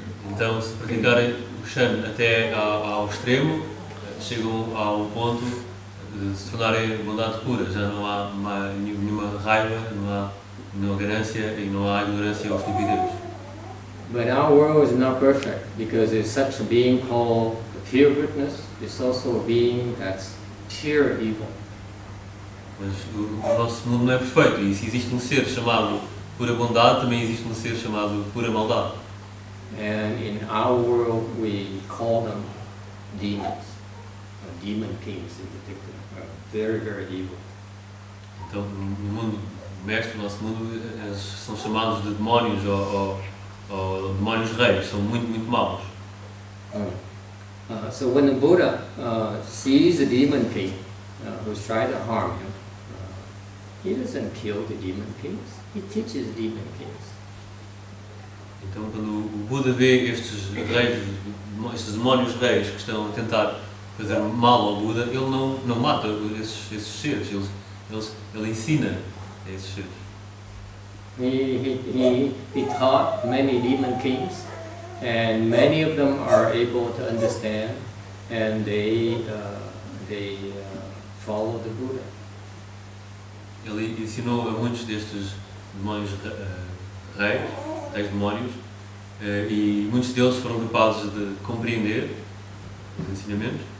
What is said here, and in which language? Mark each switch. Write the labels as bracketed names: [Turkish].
[Portuguese] Então, se praticarem o chan até ao extremo, chegam a um ponto de se tornarem bondade pura, já não há nenhuma raiva, não há nenhuma ganância e não há ignorância ou estupidez. [English] But our world is not perfect, because there's such a being called the pure goodness, it's also a being that's pure evil. [Portuguese] Mas o nosso mundo não é perfeito, e se existe um ser chamado pura bondade, também existe um ser chamado pura maldade. [English] And in our world we call them demons. Demon kings in particular are very, very evil. [Portuguese] Então, no mundo, mestre, no nosso mundo, eles são chamados de demónios ou demónios reis, são muito, muito maus. [English] So when the Buddha sees a demon king who's trying to harm him, he doesn't kill the demon kings, he teaches the demon kings. [Portuguese] Então, quando o Buda vê estes reis, estes demónios reis que estão a tentar fazer mal ao Buda, ele não mata esses seres, ele ensina esses seres. [English] He taught many demon kings, and many of them are able to understand, and they follow the Buddha. [Portuguese] Ele ensinou a muitos destes demónios reis demónios, e muitos deles foram capazes de compreender os ensinamentos.